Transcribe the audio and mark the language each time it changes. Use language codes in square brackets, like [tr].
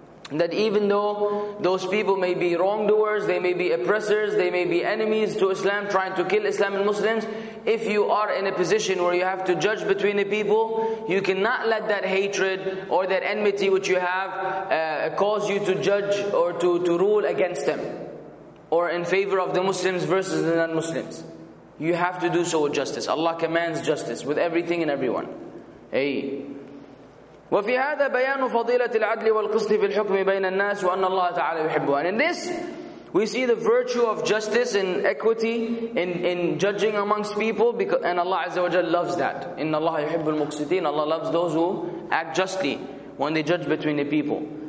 [en] That even though those people may be wrongdoers, they may be oppressors, they may be enemies to Islam, trying to kill Islam and Muslims, if you are in a position where you have to judge between the people, you cannot let that hatred or that enmity which you have cause you to judge or to rule against them, or in favor of the Muslims versus the non-Muslims. You have to do so with justice. Allah commands justice with everything and everyone. Hey. [ar] وفي هذا بيان فضيلة العدل والقسط في الحكم بين الناس وأن الله تعالى يحبه. [en] And in this, we see the virtue of justice and equity in judging amongst people, because, and Allah Azza wa Jal loves that. [ar] إن الله يحب المقسطين. [en] Allah loves those who act justly when they judge between the people.